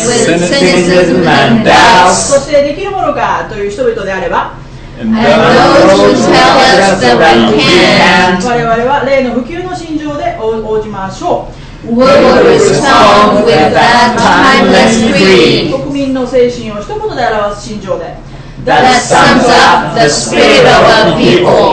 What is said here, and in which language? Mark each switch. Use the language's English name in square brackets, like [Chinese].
[English] And where we met with cynicism and doubts. [Japanese] そしてできるものかという人々であれば [English] And those who tell us that we can't. [Japanese] 我々は例の不朽の心情で応じましょう [English] We will respond with that timeless creed. [Japanese] 国民の精神を一言で表す心情で [English] That sums up the spirit of our people.